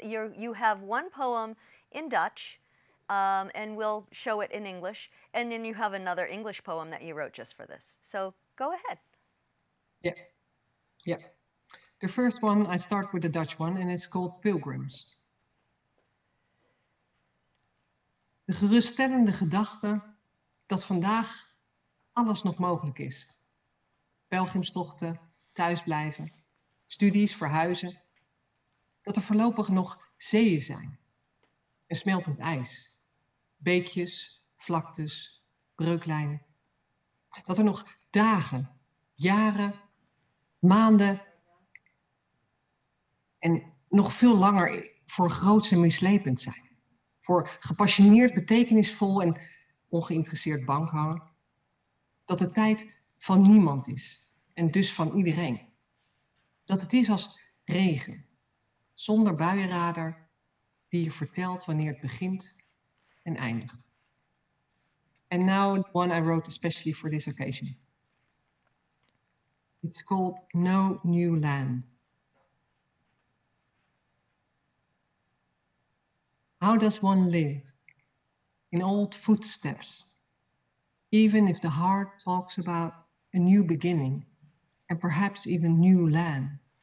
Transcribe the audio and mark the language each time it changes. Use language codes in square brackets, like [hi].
[en] You have one poem in Dutch, and we'll show it in English, and then you have another English poem that you wrote just for this. So go ahead. Yeah. The first one, I start with the Dutch one, and it's called Pilgrims. [nl] De geruststellende gedachte dat vandaag alles nog mogelijk is. Pelgrimstochten, thuisblijven, studies, verhuizen. Dat er voorlopig nog zeeën zijn en smeltend ijs. Beekjes, vlaktes, breuklijnen. Dat er nog dagen, jaren, maanden en nog veel langer voor groots en mislepend zijn. Voor gepassioneerd, betekenisvol en ongeïnteresseerd bankhanger. Dat de tijd van niemand is en dus van iedereen. Dat het is als regen, zonder buienradar, die je vertelt wanneer het begint en eindigt. [en] And now the one I wrote especially for this occasion. It's called No New Land. How does one live in old footsteps, even if the heart talks about a new beginning and perhaps even new land?